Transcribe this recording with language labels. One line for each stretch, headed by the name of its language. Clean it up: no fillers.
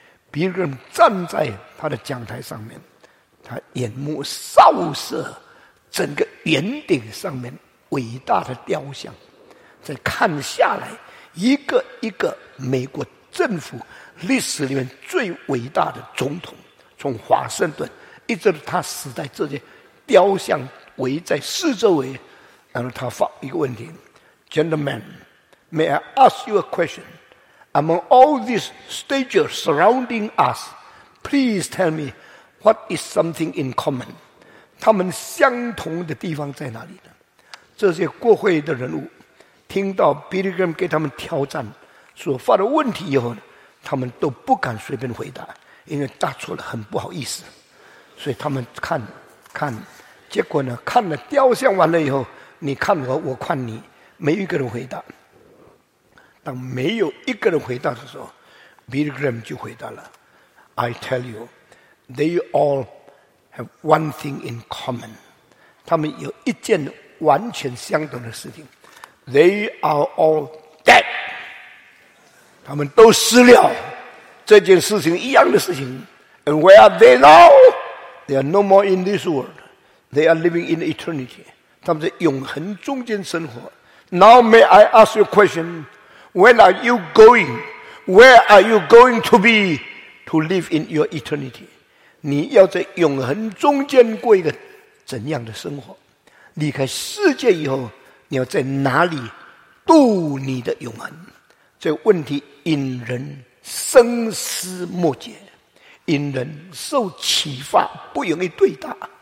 Chinese: Billy Graham 站在他的讲台上面，他眼目扫射整个圆顶上面伟大的雕像，再看下来一个一个美国政府历史里面最伟大的总统，从华盛顿一直到他死在这些雕像围在四周围。然后他发一个问题，
English: Gentlemen, may I ask you a question? Among all these stages surrounding us, please tell me what is something in common?
Chinese: 他们相同的地方在哪里呢？这些国会的人物听到 Billy Graham 给他们挑战所发的问题以后，他们都不敢随便回答，因为答错了很不好意思。所以他们看看，结果呢，看了雕像完了以后，你看我，我看你，没有一个人回答。当没有一个人回答的时候， Billy Graham 就回答了，
English: I tell you, they all have one thing in common.
Chinese: 他们有一件完全相同的事情，
English: They are all dead.
Chinese: 他们都死了，这件事情一样的事情。
English: And where are they now? They are no more in this world. They are living in eternity.
Chinese: 他们在永恒中间生活。
English: Now may I ask you a question? When are you going? Where are you going to be to live in your eternity?
Chinese: 你要在永恒中间过一个怎样的生活？离开世界以后，你要在哪里度你的永恒？这问题引人深思默解，引人受启发，不容易对答。